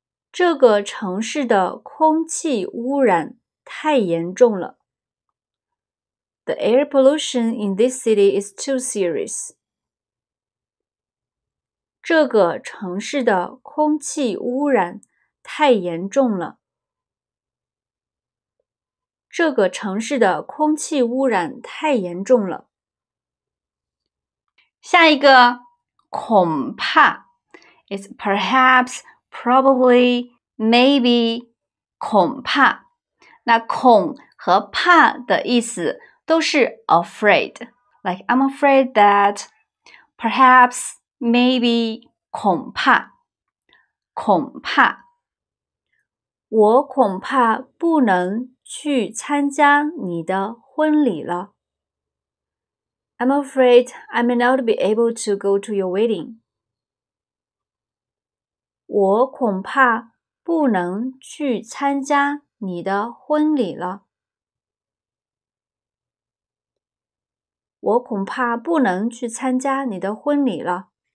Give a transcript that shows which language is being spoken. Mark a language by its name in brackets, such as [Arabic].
[Chinese] 这个城市的空气污染太严重了。 [English] The air pollution in this city is too serious. [Chinese] 这个城市的空气污染太严重了。这个城市的空气污染太严重了。下一个，恐怕 ，is perhaps, probably, maybe, 恐怕。那恐和怕的意思都是 afraid, like I'm afraid that, perhaps, maybe, 恐怕，恐怕。我恐怕不能 [English] 去参加你的婚礼了。 I'm afraid I may not be able to go to your wedding. [Chinese] 我恐怕不能去参加你的婚礼了。我恐怕不能去参加你的婚礼了。